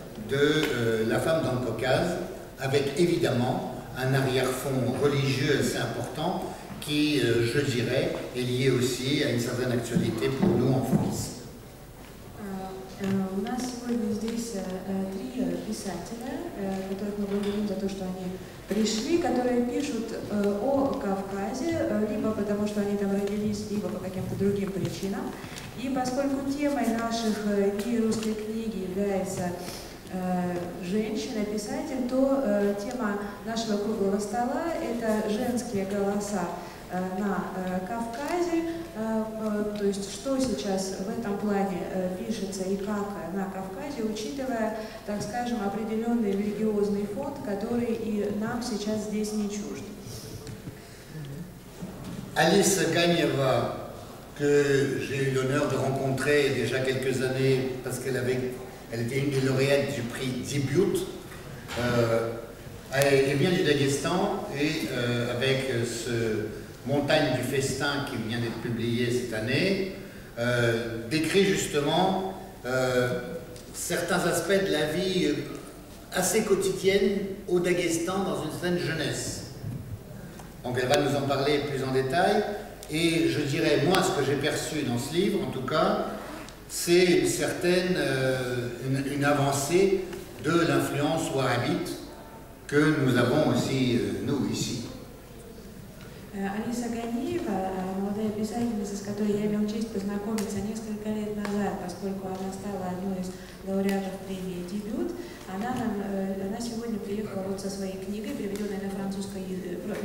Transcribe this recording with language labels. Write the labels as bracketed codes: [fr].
[fr] de la femme dans le Caucase, avec évidemment un arrière-fond religieux assez important qui, je dirais, est lié aussi à une certaine actualité pour nous en France. [ru] У нас сегодня здесь три писателя, которых мы благодарим за то, что они пришли, которые пишут о Кавказе, либо потому, что они там родились, либо по каким-то другим причинам. И поскольку темой наших русской книги является женщина-писатель, то тема нашего круглого стола – это женские голоса на Кавказе, то есть что сейчас в этом плане пишется и как на Кавказе, учитывая, так скажем, определенный религиозный фонд, который и нам сейчас здесь не чужд. [fr] Алиса Ганьева, que j'ai eu l'honneur de rencontrer déjà quelques années, parce qu'elle avait, elle était une des lauréates du prix Dibyut, elle vient du Daghestan et avec ce Montagne du Festin, qui vient d'être publiée cette année, décrit justement certains aspects de la vie assez quotidienne au Daghestan dans une certaine jeunesse. Donc elle va nous en parler plus en détail. Et je dirais, moi, ce que j'ai perçu dans ce livre, en tout cas, c'est une certaine une avancée de l'influence wahhabite que nous avons aussi, nous, ici. [ru] Алиса Ганиева, молодая писательница, с которой я имел честь познакомиться несколько лет назад, поскольку она стала одной из лауреатов премии «Дебют», она сегодня приехала вот со своей книгой, переведенной на французский язык.